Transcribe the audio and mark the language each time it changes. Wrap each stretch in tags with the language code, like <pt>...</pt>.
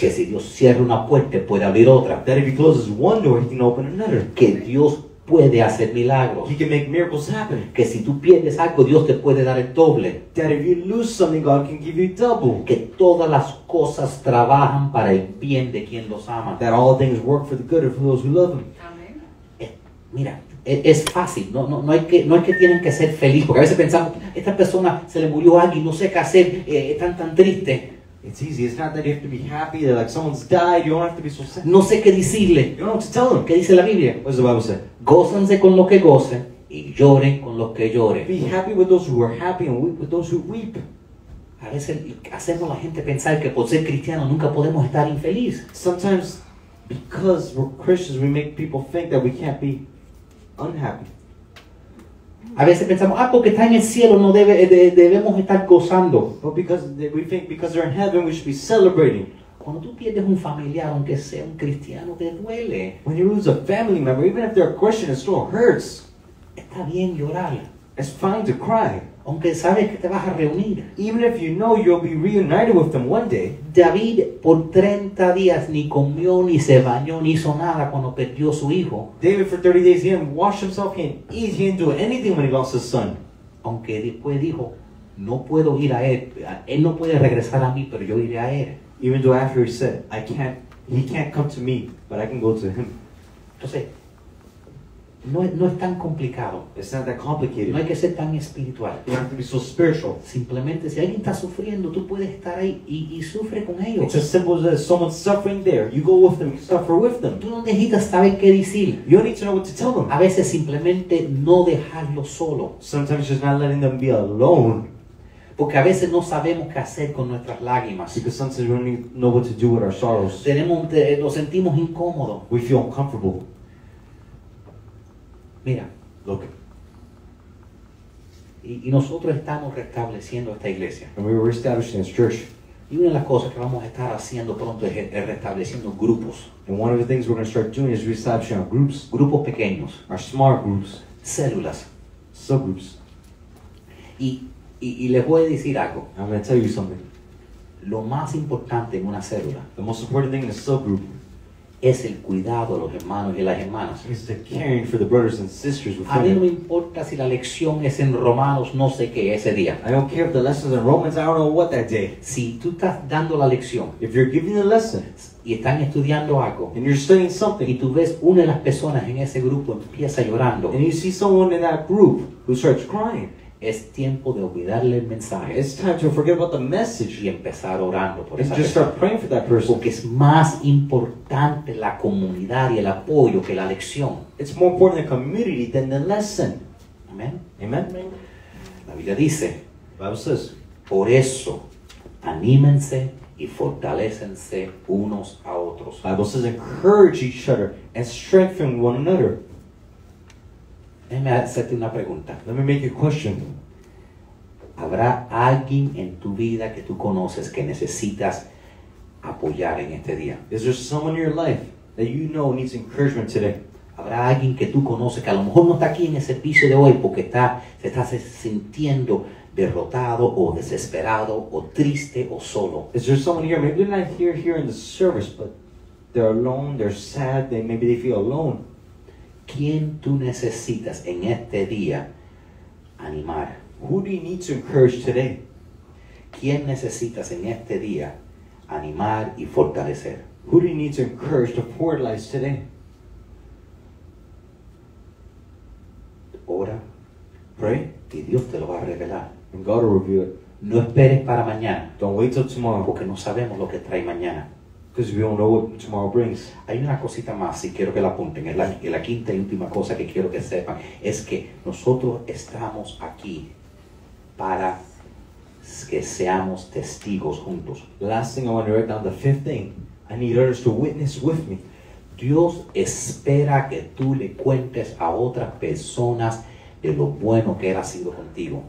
<es>Que si Dios cierra una puerta, puede abrir otra.</es> <en>That if he closes one door, he can open another.</en> <es>Que Dios puede hacer milagros.</es> <en>He can make miracles happen.</en> <es>Que si tú pierdes algo, Dios te puede dar el doble.</es> <en>That if you lose something, God can give you double.</en> <es>Que todas las cosas trabajan para el bien de quien los ama.</es> <en>That all things work for the good of those who love him.</en> <es>Mira, es fácil. No hay que tienen que ser felices. Porque a veces pensamos, esta persona se le murió a alguien, no sé qué hacer, están tan triste.</es> <en>It's easy. It's not that you have to be happy. That like someone's died. You don't have to be so sad.</en> <es>No sé qué decirle.</es> <en>You don't know what to tell them.</en> <es>¿Qué dice la Biblia?</es> <en>What does the Bible say?</en> <es>Gózanse con lo que gocen y lloren con lo que lloren.</es> <en>Be happy with those who are happy and weep with those who weep.</en> <es>A veces hacemos la gente pensar que por ser cristiano nunca podemos estar infeliz.</es> <en>Sometimes, because we're Christians, we make people think that we can't be unhappy.</en> <es>A veces pensamos, ah, porque está en el cielo, no debemos estar gozando.</es> <en>But because we think because they're in heaven, we should be celebrating.</en> <es>Cuando tú pierdes un familiar, aunque sea un cristiano, te duele.</es> <en>When you lose a family member, even if they're a Christian, it still hurts.</en> <es>Está bien llorar.</es> <en>It's fine to cry.</en> <es>Aunque sabes que te vas a reunir.</es> <en>Even if you know you'll be reunited with them one day.</en> <es>David por 30 días ni comió, ni se bañó, ni hizo nada cuando perdió su hijo.</es> <en>David for 30 days, he didn't wash himself, he didn't eat, he didn't do anything when he lost his son.</en> <es>Aunque después dijo, no puedo ir a él. Él no puede regresar a mí, pero yo iré a él.</es> <en>Even though after he said, he can't come to me, but I can go to him.</en> <es>Entonces, No es tan complicado.</es> <en>It's not that complicated.</en> <es>No hay que ser tan espiritual.</es> <en>You don't have to be so spiritual.</en> <es>Simplemente, si alguien está sufriendo, tú puedes estar ahí y sufre con ellos.</es> <en>It's as simple as someone's suffering there. You go with them, you suffer with them.</en> <es>Tú no necesitas saber qué decir.</es> <en>You don't need to know what to tell them.</en> <es>A veces, simplemente, no dejarlo solo.</es> <en>Sometimes, just not letting them be alone.</en> <es>Porque a veces no sabemos qué hacer con nuestras lágrimas.</es> <en>Because sometimes, we don't know what to do with our sorrows.</en> <es>Nos sentimos incómodos.</es> <en>We feel uncomfortable.</en> <es>Mira,</es> <en>look.</en> <es>Y nosotros estamos restableciendo esta iglesia.</es> <en>And we were establishing this church.</en> <es>Y una de las cosas que vamos a estar haciendo pronto es restableciendo grupos.</es> <en>And one of the things we're going to start doing is reestablishing our groups.</en> <es>Grupos pequeños.</es> <en>Our small groups.</en> <es>Células.</es> <en>Subgroups.</en> <es>Y les voy a decir algo.</es> <en>I'm going to tell you something.</en> <es>Lo más importante en una célula.</es> <en>The most important thing in a subgroup.</en> <es>Es el cuidado de los hermanos y las hermanas.</es> <en>It's the caring for the brothers and sisters.</en> <es>A mí no me importa si la lección es en Romanos, no sé qué, ese día.</es> <en>I don't care if the lesson's in Romans, I don't know what that day.</en> <es>Si tú estás dando la lección.</es> <en>If you're giving the lesson.</en> <es>Y están estudiando algo.</es> <en>And you're studying something.</en> <es>Y tú ves una de las personas en ese grupo empieza llorando.</es> <en>And you see someone in that group who starts crying.</en> <es>Es tiempo de olvidarle el mensaje.</es> <en>It's time to forget about the message.</en> <es>Y empezar orando por</es> <en>and</en> <es>esa</es> <en>just</en> <es>persona.</es> <en>Start praying for that person.</en> <es>Porque es más importante la comunidad y el apoyo que la lección.</es> <en>It's more important the community than the lesson.</en> <es>Amen.</es> <en>Amen.</en> <es>La Biblia dice.</es> <en>The Bible says.</en> <es>Por eso, anímense y fortalecense unos a otros.</es> <en>The Bible says, encourage each other and strengthen one another.</en> <es>Déjame hacerte una pregunta.</es> <en>Let me make a question.</en> <es>¿Habrá alguien en tu vida que tú conoces que necesitas apoyar en este día?</es> <en>Is there someone in your life that you know needs encouragement today?</en> <es>¿Habrá alguien que tú conoces que a lo mejor no está aquí en el servicio de hoy porque se está sintiendo derrotado o desesperado o triste o solo?</es> <en>Is there someone here? Maybe they're not here in the service, but they're alone, they're sad, maybe they feel alone.</en> <es>¿Quién tú necesitas en este día animar?</es> <en>Who do you need to encourage today?</en> <es>¿Quién necesitas en este día animar y fortalecer?</es> <en>Who do you need to encourage to fortalize today?</en> <es>Ora.</es> <en>Pray.</en> <es>Y Dios te lo va a revelar.</es> <en>And God will reveal it.</en> <es>No esperes para mañana.</es> <en>Don't wait till tomorrow.</en> <es>Porque no sabemos lo que trae mañana.</es> <en>Because we don't know what tomorrow brings.</en> <es>Hay una cosita más y quiero que la apunten. La quinta y última cosa que quiero que sepan es que nosotros estamos aquí para que seamos testigos juntos.</es> <en>Last thing I want to write down, the fifth thing. I need others to witness with me.</en> <es>Dios espera que tú le cuentes a otras personas de lo bueno que él ha sido contigo.</es>